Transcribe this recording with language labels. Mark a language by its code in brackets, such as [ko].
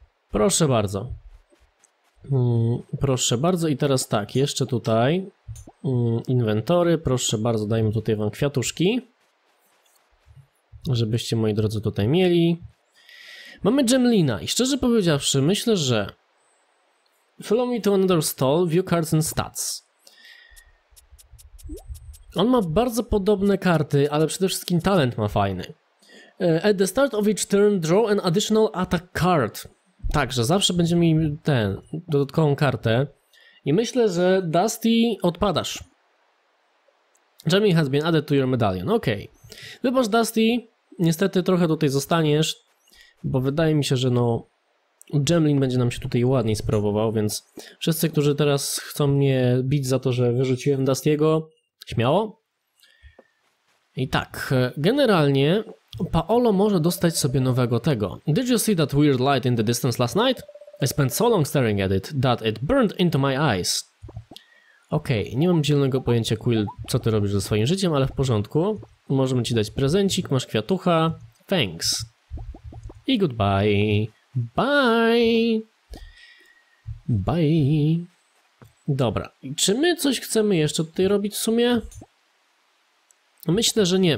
[pl] Proszę bardzo. Proszę bardzo i teraz tak, jeszcze tutaj. Inwentory, proszę bardzo, dajmy tutaj wam kwiatuszki. Żebyście, moi drodzy, tutaj mieli. Mamy Gemlina i szczerze powiedziawszy, myślę, że... [en] Follow me to another stall, view cards and stats. [pl] On ma bardzo podobne karty, ale przede wszystkim talent ma fajny. [en] At the start of each turn, draw an additional attack card. [pl] Także zawsze będziemy mieli tę dodatkową kartę. I myślę, że Dusty odpadasz. [en] Jamie has been added to your medallion. [pl] Okej. Okay. Wybacz, Dusty. Niestety trochę tutaj zostaniesz, bo wydaje mi się, że no Jemlin będzie nam się tutaj ładniej sprawował, więc wszyscy, którzy teraz chcą mnie bić za to, że wyrzuciłem Dusty'ego, śmiało. I tak, generalnie Paolo może dostać sobie nowego tego. [en] Did you see that weird light in the distance last night? I spent so long staring at it, that it burned into my eyes. [pl] Okej, okay, nie mam zielonego pojęcia, Quill, co ty robisz ze swoim życiem, ale w porządku. Możemy ci dać prezencik, masz kwiatucha. [en] Thanks. I goodbye. Bye. Bye. [pl] Dobra, czy my coś chcemy jeszcze tutaj robić w sumie? Myślę, że nie.